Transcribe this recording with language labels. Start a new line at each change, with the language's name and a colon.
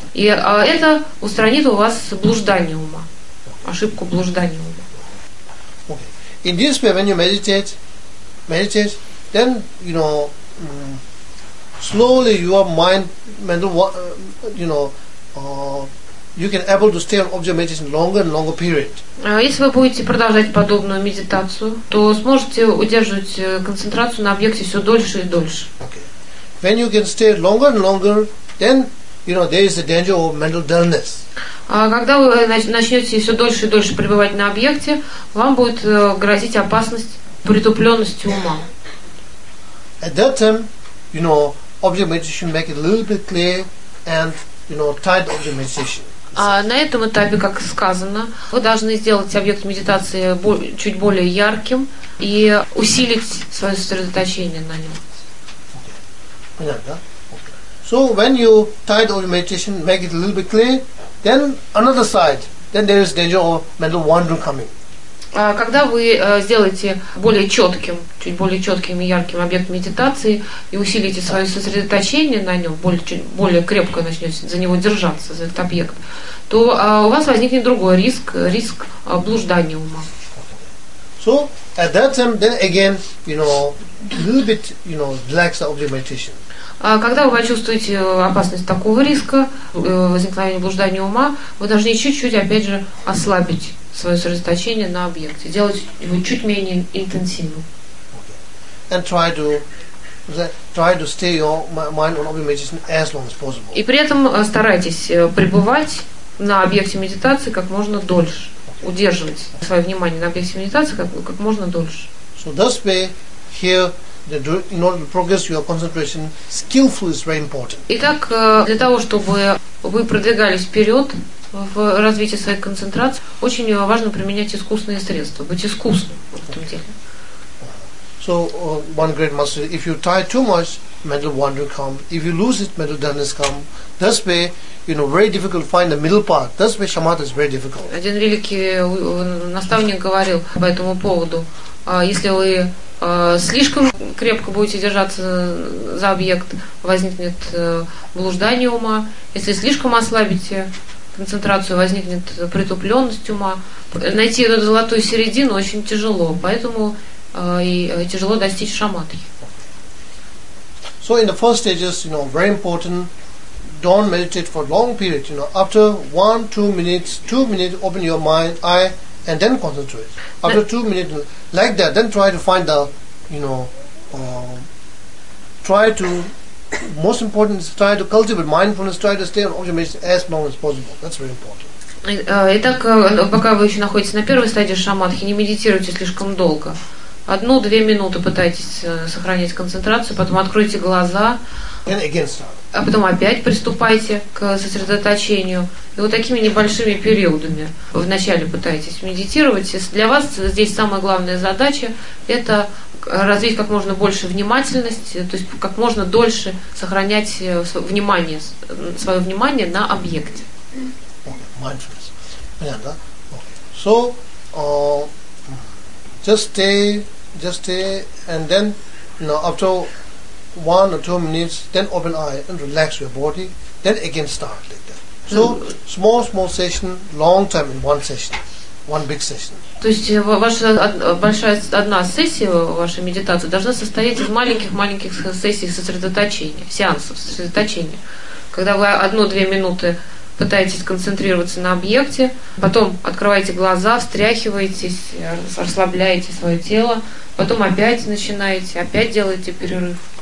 Russian: И это устранит у вас блуждание ума, ошибку блуждания ума.
English: Okay. In this way, when you meditate, then, you know, slowly your mind, mental, you know, you can able to stay on object meditation longer and longer period.
Russian: Если вы будете продолжать подобную медитацию, то сможете удерживать концентрацию на объекте все дольше и дольше.
English: Okay. When you can stay longer and longer, then, you know, there is a danger of mental dullness.
Russian: Когда вы начнете все дольше и дольше пребывать на объекте, вам будет грозить опасность притупленности ума.
English: At that time, you know, object meditation, make it a little bit clear and, you know, tie the object meditation.
Russian: А на этом этапе, как сказано, вы должны сделать объект медитации чуть более ярким и усилить свое сосредоточение на нем.
English: So when you tie the object meditation, make it a little bit clear, then another side, then there is danger of mental wandering coming.
Russian: Когда вы сделаете более четким, чуть более четким и ярким объект медитации и усилите свое сосредоточение на нем, более крепко начнете за него держаться, за этот объект, то у вас возникнет другой риск, риск блуждания ума.
English: So at that time, then again, you know, a little bit, you know, relax the object meditation.
Russian: Когда вы почувствуете опасность такого риска возникновения блуждания ума, вы должны чуть-чуть, опять же, ослабить свое сосредоточение на объекте, делать его чуть менее интенсивным.
English: And try to stay your mind on object meditation as long as possible.
Russian: И при этом старайтесь пребывать на объекте медитации как можно дольше, удерживать свое внимание на объекте медитации как можно дольше.
English: So thus we hear. In order to progress your concentration, skillfully is very important.
Russian: Итак, для того чтобы вы продвигались вперед в развитии своей концентрации, очень важно применять искусные средства, быть искусным в этом деле.
English: So one great master: if you tie too much, mental wandering come. If you lose it, mental dullness come. That's why, you know, very difficult to find the middle path. That's why shamatha is very difficult.
Russian: Один великий наставник говорил по этому поводу: если вы слишком крепко будете держаться за объект, возникнет блуждание ума. Если слишком ослабите концентрацию, возникнет притупленность ума. Найти эту золотую середину очень тяжело, поэтому и тяжело достичь шамадхи.
English: So in the first stages, you know, very important, don't meditate for long period. You know, after 1-2 minutes, open your mind, eye. And then concentrate. After 2 minutes, like that, then try to find the, you know, try to, most important is try to cultivate mindfulness, try to stay on object meditation as long as possible. That's very important.
Russian: Итак, пока вы еще находитесь на первой стадии шамадхи, не медитируйте слишком долго. 1-2 минуты пытайтесь сохранять концентрацию, потом откройте глаза.
English: And again start.
Russian: А потом опять приступайте к сосредоточению. И вот такими небольшими периодами вначале пытаетесь медитировать. Для вас здесь самая главная задача – это развить как можно больше внимательности, то есть как можно дольше сохранять свое внимание на объекте. Mindfulness. Понятно, да?
English: Okay. So, just stay, and then, you know, after 1-2 minutes, then open eye and relax your body, then again start like that. So small session, long time in one session, one big session.
Russian: То есть ваша большая одна сессия вашей медитации должна состоять из маленьких сессий сосредоточения, сеансов сосредоточения. Когда вы 1-2 минуты пытаетесь концентрироваться на объекте, потом открываете глаза, встряхиваетесь, расслабляете свое тело, потом опять начинаете, опять делаете перерыв.